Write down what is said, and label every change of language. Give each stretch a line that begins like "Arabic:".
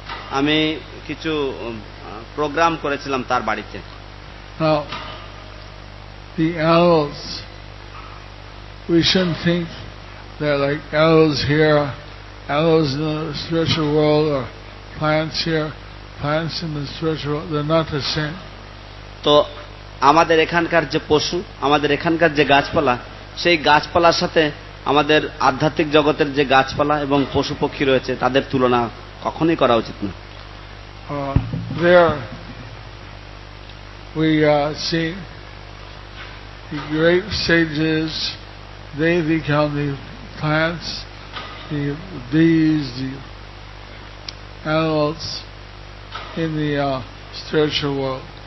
Bangla: Ami kichu program korechilam tar barite.
English: Now, the animals, we shouldn't think. They're like animals here, animals in the spiritual world, or plants here, plants in the spiritual world. They're not the same.
Bangla: তো আমাদের এখানকার যে পশু, আমাদের এখানকার যে গাছপালা, সেই গাছপালার সাথে আমাদের আধ্যাত্মিক জগতের যে গাছপালা এবং পশু পক্ষী রয়েছে তাদের তুলনা কখনোই করা উচিত না।
English: There we see the great sages. They become the plants, the bees, the animals in the spiritual world.